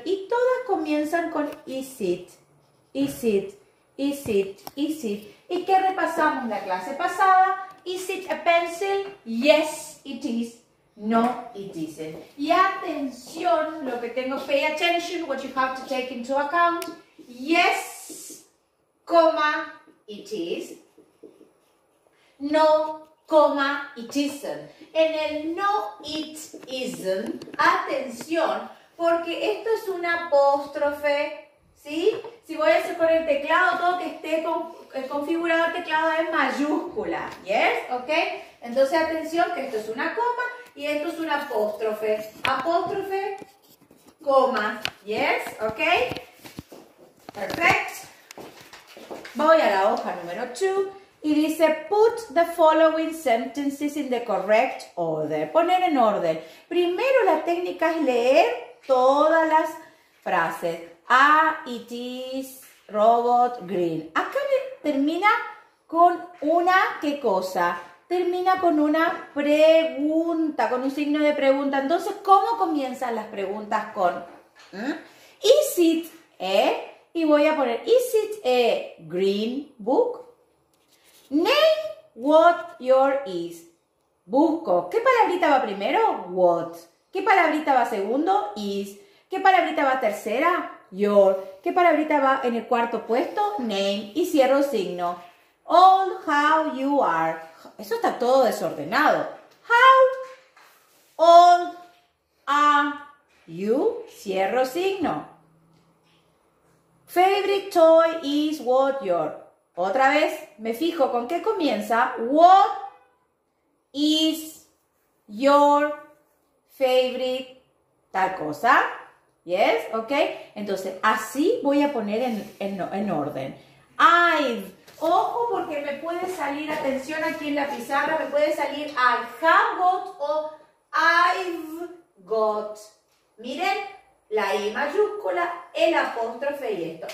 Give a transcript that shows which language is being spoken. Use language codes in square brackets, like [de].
[es] Y todas comienzan con [en] is it, is it, is it, is it. [es] ¿Y qué repasamos la clase pasada? [en] Is it a pencil? Yes, it is. No, it isn't. [es] Y atención, lo que tengo, [en] pay attention, what you have to take into account. Yes, comma, it is. No, comma, it isn't. [es] En el [en] no, it isn't, [es] atención, porque esto es una apóstrofe, ¿sí? Si voy a hacer con el teclado, todo que esté configurado el teclado es mayúscula, ¿yes? ¿Ok? Entonces, atención, que esto es una coma y esto es una apóstrofe. Apóstrofe, coma, ¿yes? ¿Ok? Perfect. Voy a la hoja número 2. Y dice, [en] put the following sentences in the correct order. [es] Poner en orden. Primero la técnica es leer todas las frases. Ah, [en] it is, Robot grill. [es] Acá termina con una, ¿qué cosa? Termina con una pregunta, con un signo de pregunta. Entonces, ¿cómo comienzan las preguntas con? Is it a, y voy a poner, [en] is it a green book? Name what your is. Busco. [es] ¿Qué palabrita va primero? What. ¿Qué palabrita va segundo? Is. ¿Qué palabrita va tercera? Your. ¿Qué palabrita va en el cuarto puesto? Name. Y cierro signo. [en] All how you are. [es] Eso está todo desordenado. [en] How old are you? [es] Cierro signo. [en] Favorite toy is what your. [es] Otra vez, me fijo con qué comienza. [en] What is your favorite [es] tal cosa? [en] Yes, ok. [es] Entonces, así voy a poner en orden. I've. Ojo porque me puede salir, atención aquí en la pizarra, me puede salir [en] I have got [es] o [en] I've got. [es] Miren, la I mayúscula, el apóstrofe y esto.